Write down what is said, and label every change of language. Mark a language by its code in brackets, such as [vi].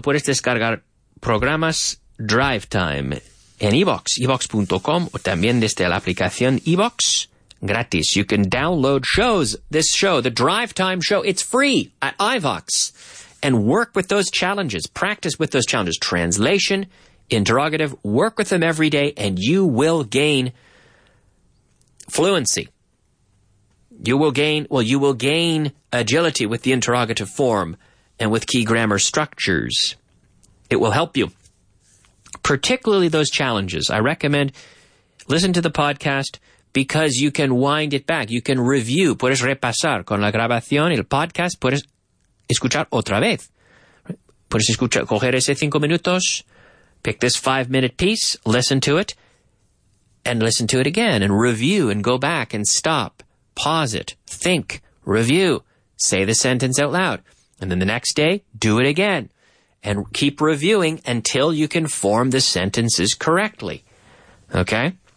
[es] Puedes descargar programas Drive Time en iVoox, iVoox.com, o también desde la aplicación iVoox, gratis. [en] You can download shows, this show, the Drive Time Show. It's free at iVox. And work with those challenges. Practice with those challenges. Translation, interrogative, work with them every day, and you will gain fluency. You will gain agility with the interrogative form and with key grammar structures. It will help you. Particularly those challenges. I recommend listen to the podcast because you can wind it back. You can review. [es] Puedes repasar con la grabación y el podcast. Puedes escuchar otra vez. Puedes escuchar, coger ese 5 minutos, [en] pick this 5-minute piece, listen to it, and listen to it again, and review, and go back, and stop, pause it, think, review, say the sentence out loud, and then the next day, do it again, and keep reviewing until you can form the sentences correctly. Okay?